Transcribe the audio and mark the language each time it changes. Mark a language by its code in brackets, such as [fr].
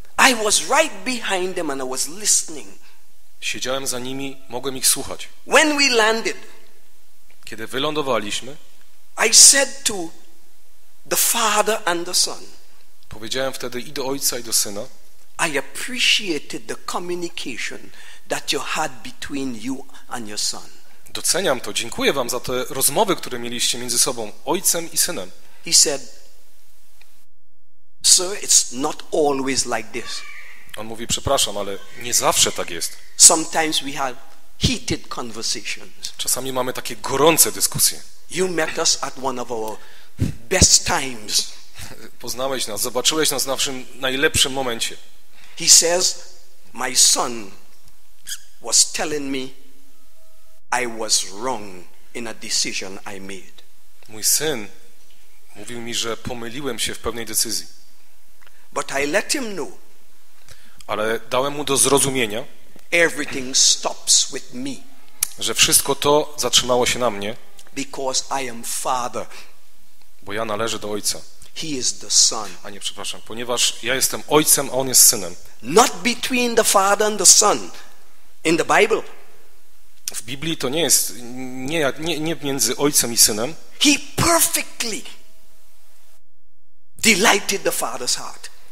[en] I was right behind them and I was listening. [pl] Siedziałem za nimi, mogłem ich słuchać. [en] When we landed, [pl] kiedy wylądowaliśmy, [en] I said to the father and the son, [pl] powiedziałem wtedy i do ojca i do syna, [en] I appreciated the communication that you had between you and your son. [pl] Doceniam to, dziękuję wam za te rozmowy, które mieliście między sobą, ojcem i synem. [en] He said, sir, it's not always like this. [pl] On mówi, przepraszam, ale nie zawsze tak jest. [en] Sometimes we have heated conversations. [pl] Czasami mamy takie gorące dyskusje. [en] You met us at one of our best times. [pl] Poznałeś nas, zobaczyłeś nas w naszym najlepszym momencie. [en] He says, my son was telling me I was wrong in a decision I made. [pl] Mój syn mówił mi, że pomyliłem się w pewnej decyzji. [en] But I let him know. [pl] Ale dałem mu do zrozumienia, [en] everything stops with me. [pl] Że wszystko to zatrzymało się na mnie. [en] Because I am father. [pl] Bo ja należę do ojca. [en] He is the son. [pl] A nie, przepraszam, ponieważ ja jestem ojcem, a on jest synem. [en] Not between the father and the son in the Bible. [pl] W Biblii to nie jest nie między ojcem i synem. [en] He perfectly delighted the father's heart.